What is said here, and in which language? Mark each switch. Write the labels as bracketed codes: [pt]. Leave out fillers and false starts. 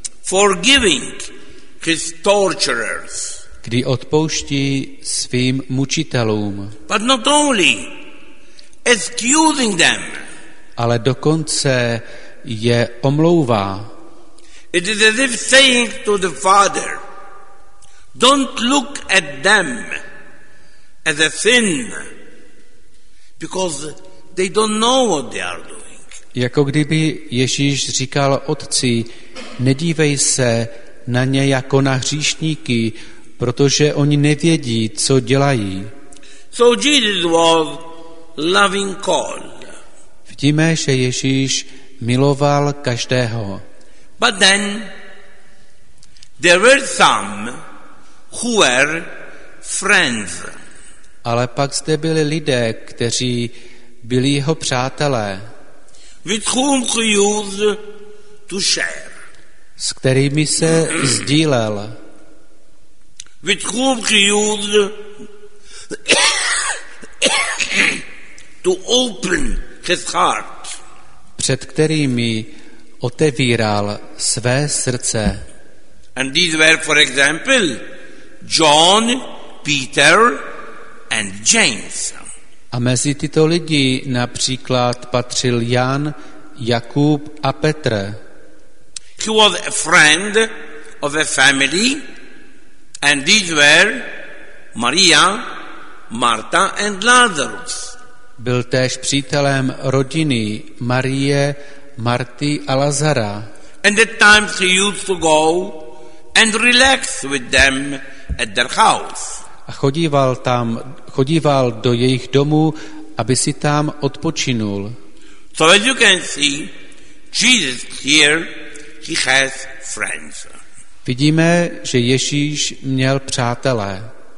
[en] Forgiving his torturers. [cs] Kdy odpouští svým mučitelům. [en] But not only, excusing them. [cs] Ale dokonce je omlouvá. [en] It is as if saying to the father, don't look at them as a sin, because they don't know what they are doing. [cs] Jako kdyby Ježíš říkal otci, nedívej se na ně jako na hříšníky, protože oni nevědí, co dělají. [en] So Jesus was loving all. [cs] Vidíme, že Ježíš miloval každého. [en] But then there were some who were friends. [cs] Ale pak zde byli lidé, kteří byli jeho přátelé. [en] With whom he used to share. [cs] S kterými se sdílel. [en] With whom he used to open his heart. [cs] Před kterými otevíral své srdce. [en] And these were, for example, John, Peter and James. [cs] A mezi tyto lidi například patřil Jan, Jakub a Petr. [en] He was a friend of a family, and these were Maria, Marta and Lazarus. [cs] Byl též přítelem rodiny Marie, Marty a Lazara. [en] And at times he used to go and relax with them at their house. [cs] A chodíval tam, chodíval do jejich domu, aby si tam odpočinul. [en] So as you can see, Jesus here, he has friends. [cs] Vidíme, že Ježíš měl přátelé.